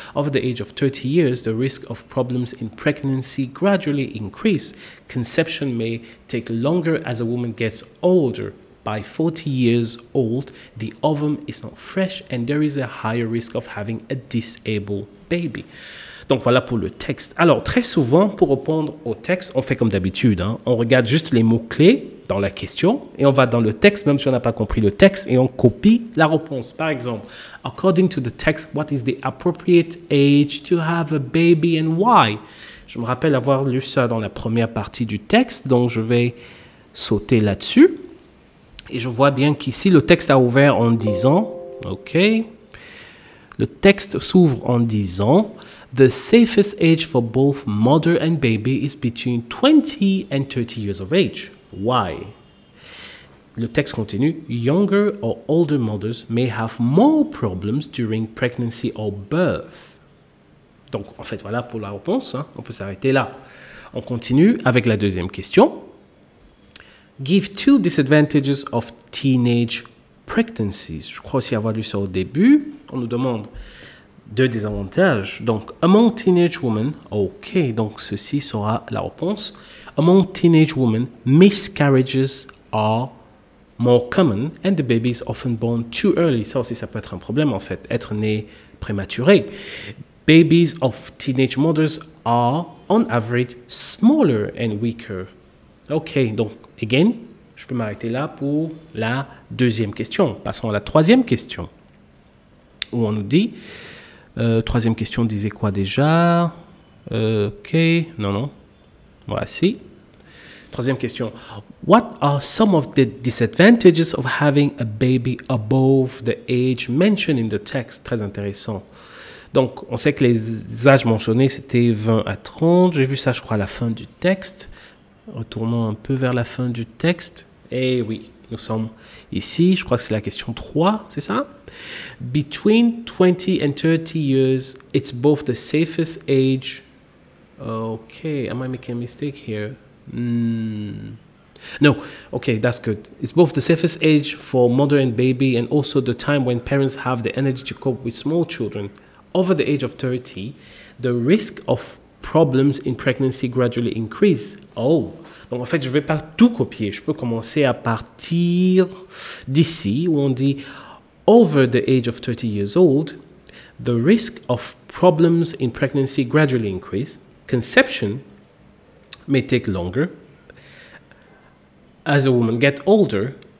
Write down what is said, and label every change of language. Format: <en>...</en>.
<en>Over the age of 30 years, the risk of problems in pregnancy gradually increase. Conception may take longer as a woman gets older. By 40 years old, the ovum is not fresh and there is a higher risk of having a disabled baby.</en> <fr>Donc voilà pour le texte. Alors, très souvent, pour répondre au texte, on fait comme d'habitude, hein? On regarde juste les mots-clés dans la question et on va dans le texte même si on n'a pas compris le texte et on copie la réponse. Par exemple,</fr> <en>according to the text, what is the appropriate age to have a baby and why?</en> <fr>Je me rappelle avoir lu ça dans la première partie du texte, donc je vais sauter là-dessus Et je vois bien qu'ici, le texte a ouvert en disant, OK, le texte s'ouvre en disant,</fr> <en>the safest age for both mother and baby is between 20 and 30 years of age. Why?</en> <fr>Le texte continue,</fr> <en>younger or older mothers may have more problems during pregnancy or birth.</en> <fr>Donc, en fait, voilà pour la réponse. Hein. On peut s'arrêter là. On continue avec la deuxième question.</fr> <en>Give two disadvantages of teenage pregnancies.</en> <fr>Je crois aussi avoir lu ça au début. On nous demande deux désavantages. Donc,</fr> <en>among teenage women,</en> <fr>OK, donc ceci sera la réponse.</fr> <en>Among teenage women, miscarriages are more common and the baby is often born too early.</en> <fr>Ça aussi, ça peut être un problème, en fait, être né prématuré.</fr> <en>Babies of teenage mothers are, on average, smaller and weaker.</en> <fr>OK, donc, again, je peux m'arrêter là pour la deuxième question. Passons à la troisième question, où on nous dit, troisième question disait quoi déjà? OK, non, non, voici. Troisième question,</fr> <en>what are some of the disadvantages of having a baby above the age mentioned in the text?</en> <fr>Très intéressant. Donc, on sait que les âges mentionnés, c'était 20 à 30. J'ai vu ça, je crois, à la fin du texte. Retournons un peu vers la fin du texte. Et oui, nous sommes ici. Je crois que c'est la question 3, c'est ça?</fr> <en>Between 20 and 30 years, it's both the safest age. OK, am I making a mistake here? No, okay, that's good. It's both the safest age for mother and baby and also the time when parents have the energy to cope with small children. Over the age of 30, the risk of problems in pregnancy gradually increase.</en> <fr>Oh, donc en fait, je ne vais pas tout copier. Je peux commencer à partir d'ici où on dit</fr> <en>over the age of 30 years old, the risk of problems in pregnancy gradually increase. Conception may take longer as a woman gets older.</en>